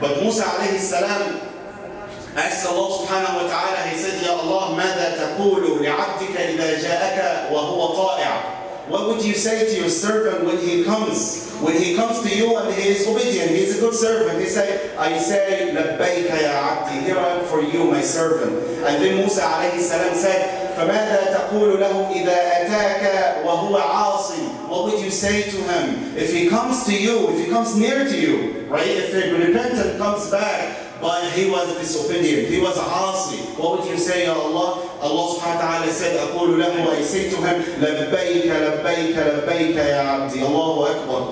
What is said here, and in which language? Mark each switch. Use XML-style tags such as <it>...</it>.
<en>But Musa alayhi salam asked Allah subhanahu wa ta'ala, he said, Ya Allah,</en> <ar>ماذا تقول لعبدك إذا جاءك وهو طائع?</ar> <en>What would you say to your servant when he comes? When he comes to you and he is obedient, he's a good servant. He said, I say,</en> <ar>لبيك يا عبدي,</ar> <en>here I am for you, my servant. And then Musa alayhi salam said,</en> <ar>فماذا تقول له إذا أتاك وهو عاصي?</ar> <en>What would you say to him? If he comes to you, if he comes near to you, right? If a repentant comes back, but he was disobedient, he was عاصي. What would you say, Ya Allah? Allah subhanahu wa ta'ala said,</en> <ar>أقول له,</ar> <en>I say to him,</en> <ar>لبيك لبيك لبيك يا عبدي.</ar> <en>Allahu Akbar.</en>